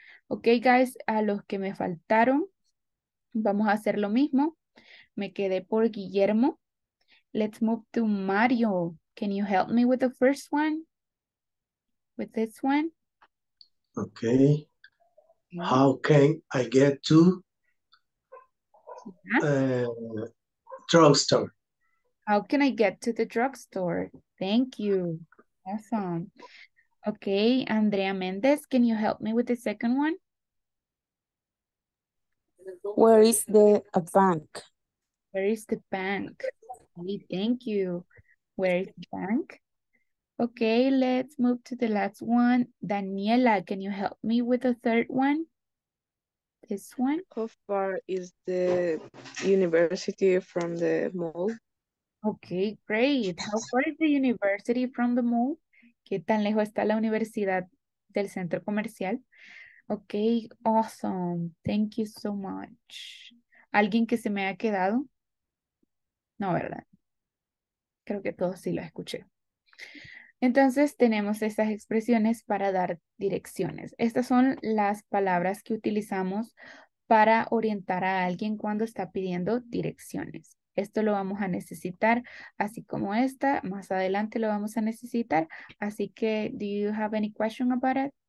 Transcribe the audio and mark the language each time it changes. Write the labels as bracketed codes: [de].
[en] Ok, guys, [es] a los que me faltaron, vamos a hacer lo mismo. Me quedé por Guillermo. [en] Let's move to [es] Mario. [en] Can you help me with the first one? With this one? Ok. How can I get to drugstore? How can I get to the drugstore? Thank you. Awesome. Okay, Andrea Mendez, can you help me with the second one? Where is the bank? Where is the bank? Thank you. Where is the bank? Okay, let's move to the last one. Daniela, can you help me with the third one? This one? How far is the university from the mall? Okay, great. How far is the university from the mall? [es] ¿Qué tan lejos está la universidad del centro comercial? [en] Okay, awesome. Thank you so much. [es] ¿Alguien que se me ha quedado? No, ¿verdad? Creo que todos sí lo escuché. Entonces, tenemos estas expresiones para dar direcciones. Estas son las palabras que utilizamos para orientar a alguien cuando está pidiendo direcciones. Esto lo vamos a necesitar, así como esta. Más adelante lo vamos a necesitar. Así que, [en] do you have any question about it?